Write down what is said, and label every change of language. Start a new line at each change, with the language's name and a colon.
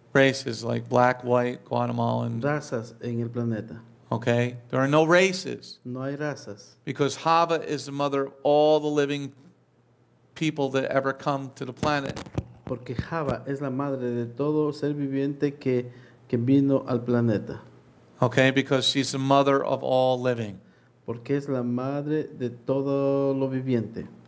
English: Races like black, white, Guatemalan.
Spanish: Razas en el planeta.
English: Okay, there are no races.
Spanish: No hay razas.
English: Because Hava is the mother of all the living people that ever come to the planet.
Spanish: Porque Hava es la madre de todo ser viviente que vino al planeta.
English: Okay, because she's the mother of all living.
Spanish: Porque es la madre de todo lo viviente.